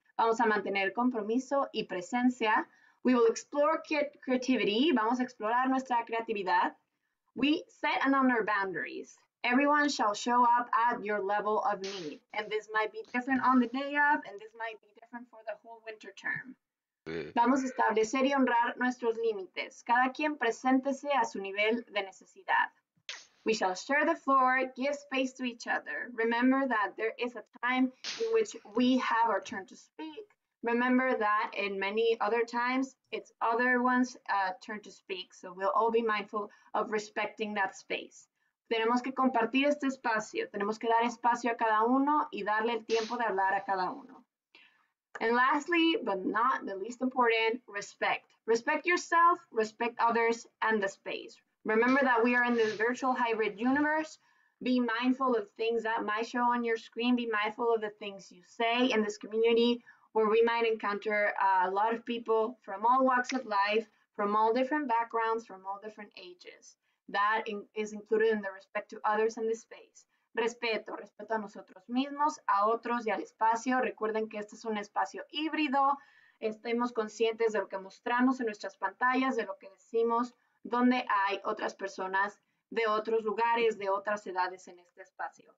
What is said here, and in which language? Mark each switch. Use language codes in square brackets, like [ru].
[es] Vamos a mantener compromiso y presencia. [en] We will explore creativity. [es] Vamos a explorar nuestra creatividad. [en] We set and honor boundaries. Everyone shall show up at your level of need. And this might be different on the day of, and this might be different for the whole winter term. [es] Vamos a establecer y honrar nuestros límites. Cada quien preséntese a su nivel de necesidad. [en] We shall share the floor, give space to each other. Remember that there is a time in which we have our turn to speak. Remember that in many other times, it's other ones' turn to speak. So we'll all be mindful of respecting that space. [es] Tenemos que compartir este espacio. Tenemos que dar espacio a cada uno y darle el tiempo de hablar a cada uno. [en] And lastly, but not the least important, respect. Respect yourself, respect others, and the space. Remember that we are in the virtual hybrid universe. Be mindful of things that might show on your screen. Be mindful of the things you say in this community where we might encounter a lot of people from all walks of life, from all different backgrounds, from all different ages. That is included in the respect to others and the space. [es] Respeto, respeto a nosotros mismos, a otros y al espacio. Recuerden que este es un espacio híbrido. Estemos conscientes de lo que mostramos en nuestras pantallas, de lo que decimos, donde hay otras personas de otros lugares, de otras edades en este espacio.